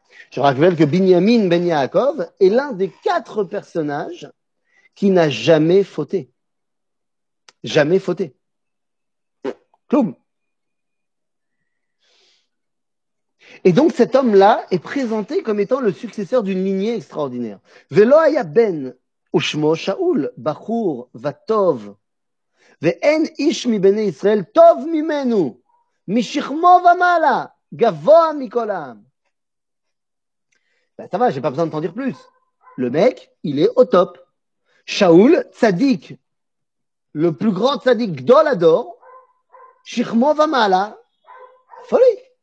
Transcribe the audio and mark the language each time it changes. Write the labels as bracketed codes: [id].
[fr] Je rappelle que Binyamin ben Yaakov est l'un des quatre personnages qui n'a jamais fauté. Jamais fauté. Cloum. Et donc cet homme-là est présenté comme étant le successeur d'une lignée extraordinaire. [he] Velo haya ben ushmo Shaoul, bachur vatov. ואין איש מבני ישראל טוב ממנו, משכמו ומעלה, גבוה מכל העם. [fr] Ça va, j'ai pas besoin de t'en dire plus. Le mec, il est au top. Shaoul, tzadik, le plus grand tzadik [he] gdol ador, שכמו ומעלה, [fr] folie.